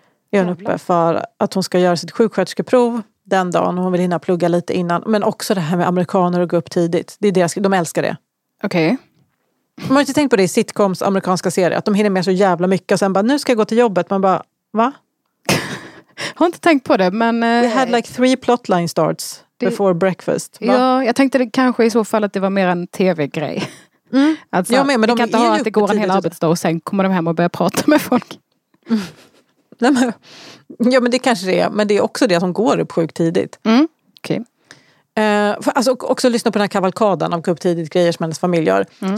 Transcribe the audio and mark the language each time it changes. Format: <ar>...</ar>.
<sv>Är hon uppe för att hon ska göra sitt sjuksköterskeprov den dagen. Hon vill hinna plugga lite innan. Men också det här med amerikaner att gå upp tidigt. Det är deras, de älskar det. Okej.</sv> <en>Okay.</en> <sv>Man har inte tänkt på det i sitcoms amerikanska serie. Att de hinner med så jävla mycket. Och sen bara, nu ska jag gå till jobbet. Man bara, va? Har inte tänkt på det, men...</sv> <en>We had like 3 plotline starts before breakfast.</en> <sv>Va? Ja, jag tänkte det kanske i så fall att det var mer en tv-grej. Mm. Alltså, ja, men de kan inte ha att det går en hel arbetsdag och sen kommer de hem och börjar prata med folk. Mm. Nej, men, ja, men det kanske det är. Men det är också det att hon går upp sjukt tidigt. Mm, okej.</sv> <en>Okay.</en> <sv>Alltså, också lyssna på den här kavalkaden av upp tidigt grejer som hennes familj gör. Mm.</sv>